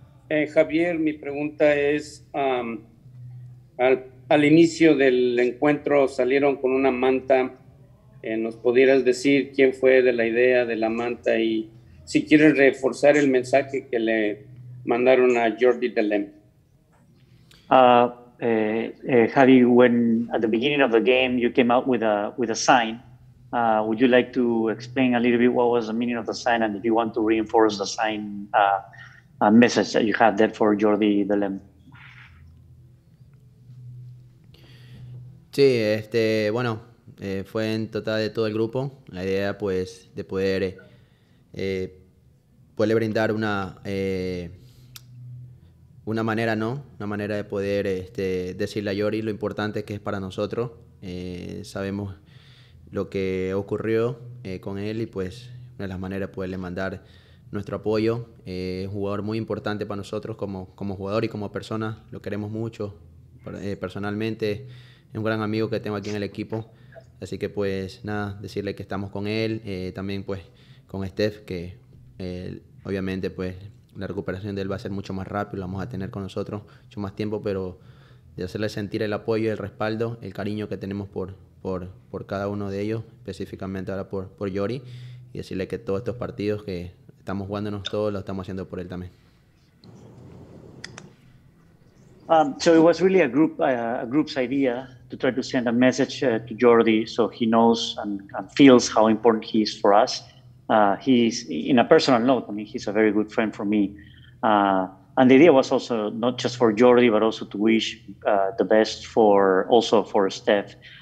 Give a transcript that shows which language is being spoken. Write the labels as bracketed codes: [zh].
[es] Javier, mi pregunta es, al inicio del encuentro salieron con una manta. ¿Nos pudieras decir quién fue de la idea de la manta y si quieren reforzar el mensaje que le mandaron a Jordi Delem? [en] Javi, when at the beginning of the game you came out with a sign, would you like to explain a little bit what was the meaning of the sign and if you want to reinforce the sign message that you had there for Jordi Delem? [es] Sí, bueno, fue en total de todo el grupo. La idea, pues, de poder poderle brindar una manera, ¿no? Una manera de poder decirle a Jordi lo importante que es para nosotros. Sabemos lo que ocurrió con él y pues una de las maneras de poderle mandar nuestro apoyo. Es un jugador muy importante para nosotros como jugador y como persona. Lo queremos mucho personalmente. Es un gran amigo que tengo aquí en el equipo. Así que pues nada, decirle que estamos con él. También pues con Steph, que obviamente pues la recuperación de él va a ser mucho más rápido, lo vamos a tener con nosotros mucho más tiempo, pero de hacerle sentir el apoyo, el respaldo, el cariño que tenemos por cada uno de ellos, específicamente ahora por Jordi, y decirle que todos estos partidos que estamos jugándonos todos, lo estamos haciendo por él también. [en] So it was really a group's idea to try to send a message to Jordi so he knows and feels how important he is for us. He's in a personal note. I mean, he's a very good friend for me. And the idea was also not just for Jordi, but also to wish the best for Steph.